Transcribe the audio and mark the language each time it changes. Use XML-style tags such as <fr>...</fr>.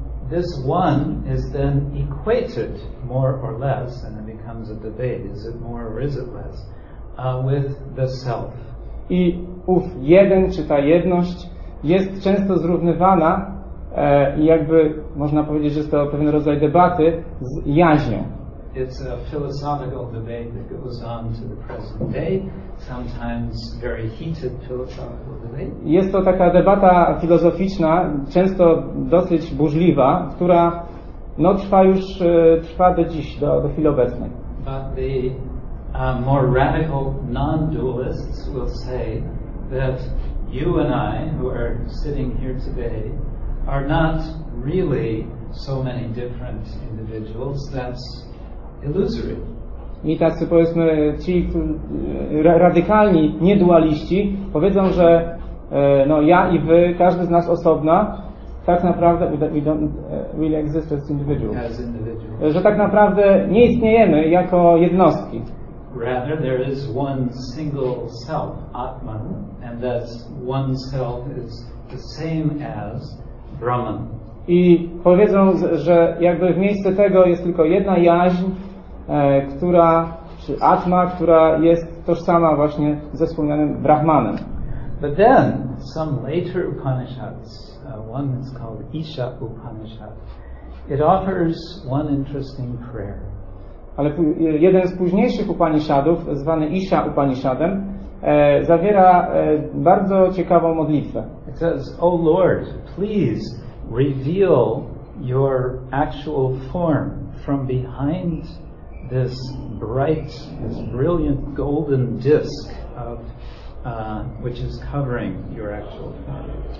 <en>This one is then equated more or less, and it becomes a debate, is it more or is it less, with the self.</en> <pl>I ów jeden, czy ta jedność, jest często zrównywana i jakby można powiedzieć, że jest to pewien rodzaj debaty z jaźnią.</pl> <en>It's a philosophical debate that goes on to the present day, sometimes very heated philosophical debate.</en> <pl>Jest to taka debata filozoficzna, często dosyć burzliwa, która no, trwa do dziś, do chwili obecnej.</pl> <en>But the more radical non-dualists will say that you and I, who are sitting here today, are not really so many different individuals, that's illusory.</en> <pl>I tacy, powiedzmy, ci radykalni niedualiści powiedzą, że no, ja i wy, każdy z nas osobna, tak naprawdę</pl> <en>we don't really exist as individuals. As individual.</en> <pl>Że tak naprawdę nie istniejemy jako jednostki.</pl> <en>Rather, there is one single self, Atman, and that one self is the same as Brahman.</en> <pl>I powiedzą, że jakby w miejsce tego jest tylko jedna jaźń, która, czy atma, która jest tożsama właśnie ze wspomnianym Brahmanem.</pl> <en>But then, some later Upanishads, one that's called Isha Upanishad, it offers one interesting prayer.</en> <pl>Ale jeden z późniejszych Upanishadów, zwany Isha Upanishadem, zawiera bardzo ciekawą modlitwę.</pl> <en>It says, O Lord, please reveal your actual form from behind this bright, this brilliant golden disk of which is covering your actual form.</en>